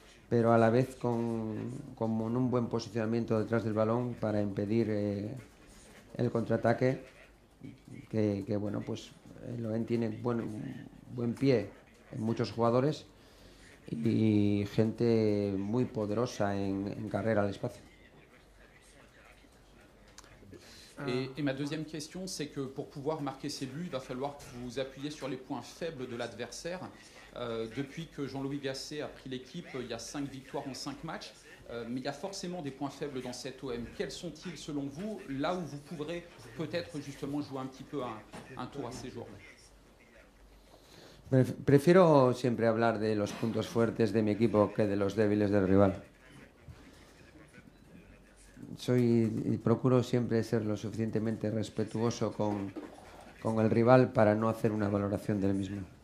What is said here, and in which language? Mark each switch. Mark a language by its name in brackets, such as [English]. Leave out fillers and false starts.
[Spanish] pero a la vez con un buen posicionamiento detrás del balón para impedir el contraataque, que bueno, pues Loen tiene buen pie en muchos jugadores y gente muy poderosa en carrera al espacio. [French] Et ma deuxième question, c'est que pour pouvoir marquer ces buts, il va falloir que vous appuyiez sur les points faibles de l'adversaire. Depuis que Jean-Louis Gasset a pris l'équipe, il y a 5 victoires en 5 matchs, mais il y a forcément des points faibles dans cette OM. Quels sont-ils selon vous, là où vous pourrez peut-être justement jouer un petit peu un tour à ces joueurs-là? [Spanish] Prefiero siempre hablar de los puntos fuertes de mi equipo que de los débiles del rival. Soy y procuro siempre ser lo suficientemente respetuoso con el rival para no hacer una valoración del mismo.